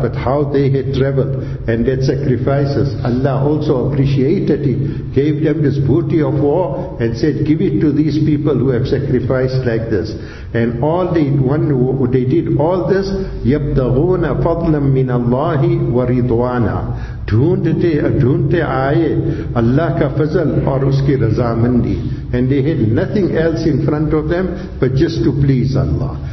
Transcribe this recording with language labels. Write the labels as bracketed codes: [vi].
[en] But how they had traveled and their sacrifices, Allah also appreciated it, gave them this booty of war and said, give it to these people who have sacrificed like this. And all they did all this, [ar] يَبْتَغُونَ فَضْلًا مِّنَ اللَّهِ وَرِضْوَانًا. [ur] ڈھونڈتے آئے اللہ کا فضل اور اس کی رضا مندی. [en] And they had nothing else in front of them but just to please Allah.